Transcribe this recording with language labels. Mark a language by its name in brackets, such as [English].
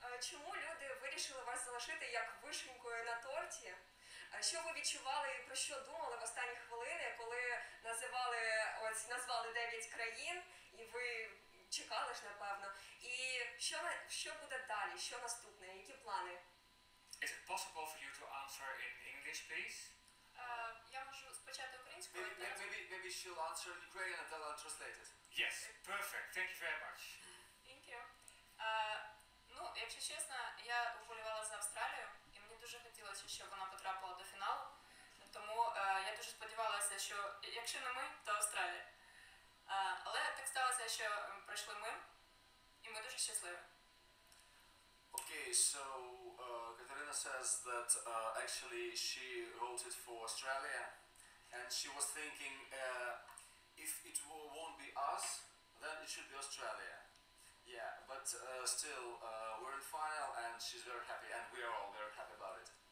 [Ukrainian] Чому люди вирішили вас залишити як вишенькою на торті? Що ви відчували і про що думали в останні хвилини, коли назвали 9 країн, і ви чекали ж, напевно. І що буде далі? Що наступне? Які плани? [English] Is it possible for you to answer in English, please? [Ukrainian] Я можу спочатку українською. [English] Maybe she'll answer in Ukrainian and then I'll translate it. Yes, perfect. Thank you very much. Thank you. [Ukrainian] Ну, якщо чесно, я вболівала за Австралію, і мені дуже хотілося, щоб вона потрапила до фіналу. Тому я дуже сподівалася, що якщо не ми, то Австралія. Але так сталося, що пройшли ми, і ми дуже щасливі. [English] Okay, so Katerina says that actually she voted for Australia, and she was thinking if it won't be us, then it should be Australia. Yeah, but still, we're in final, and she's very happy, and we are all very happy about it.